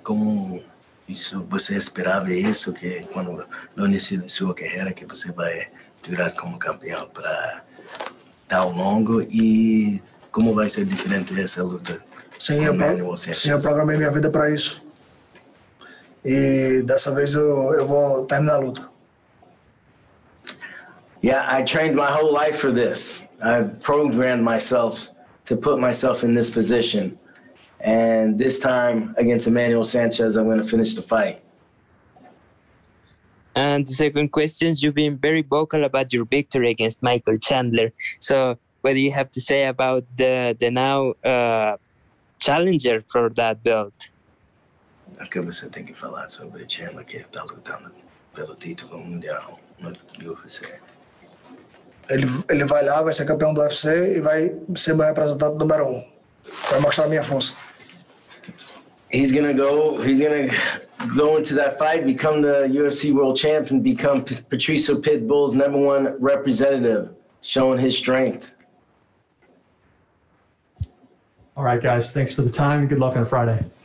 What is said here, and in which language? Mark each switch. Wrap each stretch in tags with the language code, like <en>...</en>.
<pt>Como isso, você esperava isso, que quando no início da sua carreira que você vai durar como campeão para tão longo, e como vai ser diferente essa luta? Sim, eu programei minha vida para isso. E dessa vez eu vou terminar a luta.</pt> <en>Yeah, I trained my whole life for this. I programmed myself to put myself in this position. And this time against Emmanuel Sanchez, I'm going to finish the fight. And the second question, you've been very vocal about your victory against Michael Chandler. So what do you have to say about the now challenger for that belt?</en> <pt>O que você tem que falar sobre o Chandler, que está lutando pelo título mundial no UFC? Ele vai lá, vai ser campeão do UFC e vai ser meu representante número um. Vai mostrar a minha força.</pt> <en>He's gonna go. He's gonna go into that fight, become the UFC world champ, and become Patricio Pitbull's number one representative, showing his strength. All right, guys. Thanks for the time. Good luck on Friday.</en>